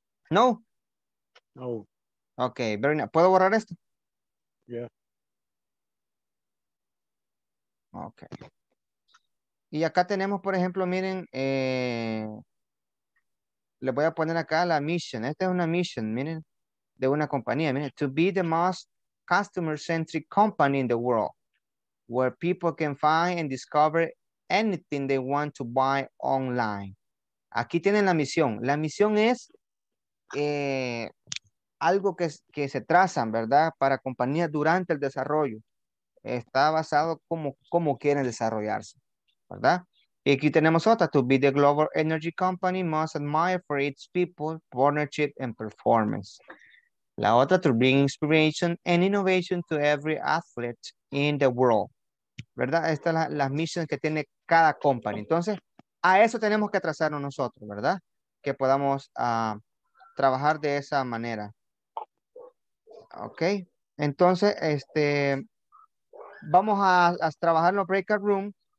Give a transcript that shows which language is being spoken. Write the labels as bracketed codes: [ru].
[es] No? No. Ok, [en] very nice. [es] ¿Puedo borrar esto? [en] Yeah. Ok. [es] Y acá tenemos, por ejemplo, miren, le voy a poner acá la mission. Esta es una mission, miren, de una compañía, miren, [en] to be the most customer-centric company in the world where people can find and discover anything they want to buy online. [es] Aquí tienen la misión. La misión es algo que se trazan, ¿verdad? Para compañías durante el desarrollo. Está basado como quieren desarrollarse, ¿verdad? Y aquí tenemos otra. [en] To be the global energy company must admire for its people, partnership and performance. [es] La otra, [en] to bring inspiration and innovation to every athlete in the world. [es] ¿Verdad? Estas son las misiones que tiene cada company. Entonces, a eso tenemos que trazarnos nosotros, ¿verdad? Que podamos trabajar de esa manera. ¿Ok? Entonces, vamos a trabajar en los breakout rooms.